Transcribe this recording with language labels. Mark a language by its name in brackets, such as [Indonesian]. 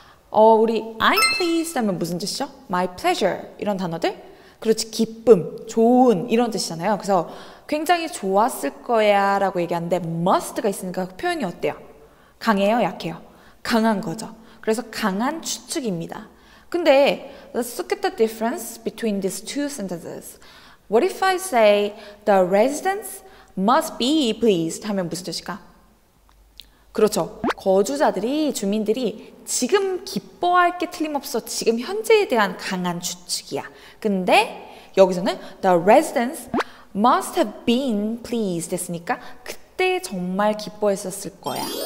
[Korean] 우리 [English] I'm pleased [Korean] 하면 무슨 뜻이죠? [English] My pleasure [Korean] 이런 단어들. 그렇지, 기쁨, 좋은 이런 뜻이잖아요. 그래서 굉장히 좋았을 거야 라고 얘기하는데 must가 있으니까 표현이 어때요? 강해요? 약해요? 강한 거죠. 그래서 강한 추측입니다. [English] 근데 let's look at the difference between these two sentences. What if I say the residents must be pleased [Korean] 하면 무슨 뜻일까? 그렇죠. 거주자들이, 주민들이 지금 기뻐할 게 틀림없어. 지금 현재에 대한 강한 추측이야. 근데 여기서는 [English] the residents must have been pleased [Korean] 했으니까 그때 정말 기뻐했었을 거야.